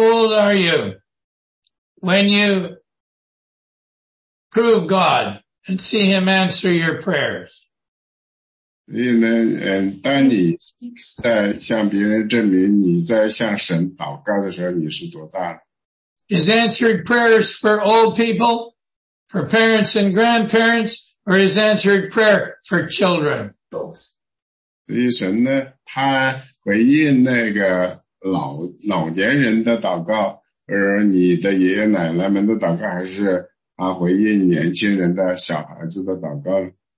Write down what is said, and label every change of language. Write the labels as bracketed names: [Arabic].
[English] old are you when you prove God and see him answer your prayers? [Chinese] 所以呢，当你在向别人证明你在向神祷告的时候，你是多大了？ [English] Is answered prayers for old people, for parents and grandparents, or is answered prayer for children? Both. [Chinese] 所以神呢，他回应那个老年人的祷告，而你的爷爷奶奶们的祷告，还是他回应年轻人的小孩子的祷告？